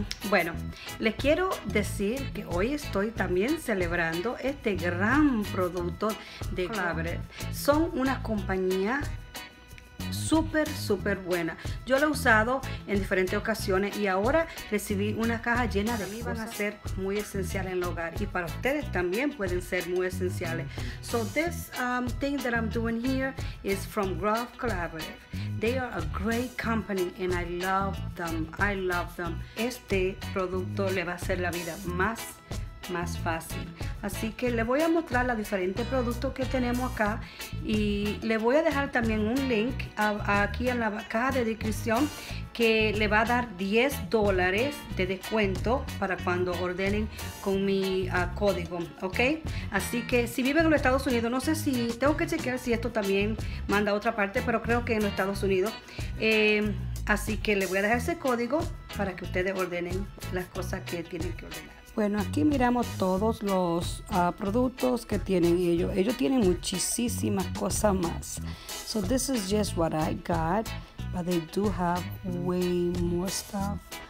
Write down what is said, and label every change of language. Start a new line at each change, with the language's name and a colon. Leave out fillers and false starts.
Spanish: Bueno, les quiero decir que hoy estoy también celebrando este gran producto de Claveret. Son una compañía súper, súper buena. Yo la he usado en diferentes ocasiones y ahora recibí una caja llena de cosas. Van a ser muy esenciales en el hogar y para ustedes también pueden ser muy esenciales.
English: So this thing that I'm doing here is from Grove Collaborative. They are a great company and I love them. I love them.
Spanish: Este producto le va a hacer la vida más fácil. Así que le voy a mostrar los diferentes productos que tenemos acá y le voy a dejar también un link aquí en la caja de descripción que le va a dar $10 de descuento para cuando ordenen con mi código, ¿ok? Así que si viven en los Estados Unidos, no sé si tengo que chequear si esto también manda a otra parte, pero creo que en los Estados Unidos. Así que le voy a dejar ese código para que ustedes ordenen las cosas que tienen que ordenar. Bueno, aquí miramos todos los productos que tienen ellos. Ellos tienen muchísimas cosas más.
English: So this is just what I got, but they do have way more stuff.